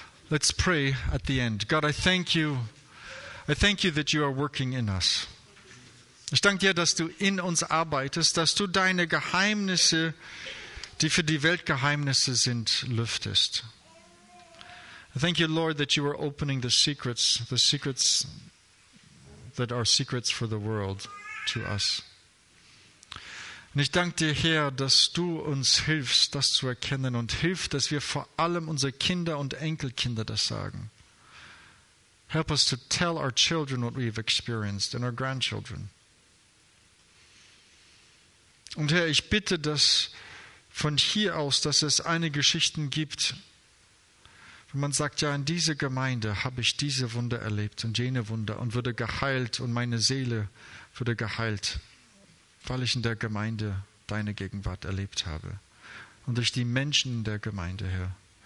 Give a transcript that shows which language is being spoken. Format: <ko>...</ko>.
<en>Let's pray at the end. God, I thank you that you are working in us.</en> <de>Ich danke dir, dass du in uns arbeitest, dass du deine Geheimnisse, die für die Welt Geheimnisse sind, lüftest.</de> <en>I thank you, Lord, that you are opening the secrets that are secrets for the world to us.</en> <de>Und ich danke dir, Herr, dass du uns hilfst, das zu erkennen und hilfst, dass wir vor allem unsere Kinder und Enkelkinder das sagen.</de> <en>Help us to tell our children what we've experienced and our grandchildren.</en> <de>Und Herr, ich bitte, dass von hier aus, dass es eine Geschichte gibt, wo man sagt, ja, in dieser Gemeinde habe ich diese Wunder erlebt und jene Wunder und wurde geheilt und meine Seele wurde geheilt, weil ich in der Gemeinde deine Gegenwart erlebt habe und durch die Menschen in der Gemeinde, Herr.</de>